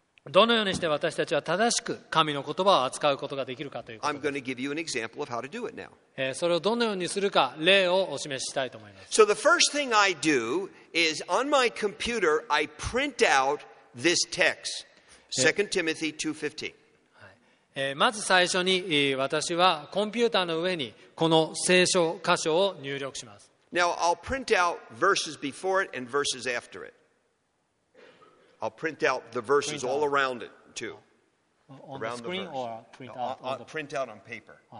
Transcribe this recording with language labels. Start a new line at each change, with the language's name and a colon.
Japanese: どのようにして私たちは正しく神の言葉を扱うことができるかということです。
English: I'm going to give you an example of how to do it now.
Japanese: それをどのようにするか例をお示ししたいと思います。
English: So the first thing I do is on my computer I print out this text. 2 Timothy 2:15.
Japanese: まず最初に私はコンピューターの上にこの聖書箇所を入力します。
English: Now, I'll print out verses before it and verses after it. I'll print out the verses all around it too. On the screen or print out? No, I'll print out on paper.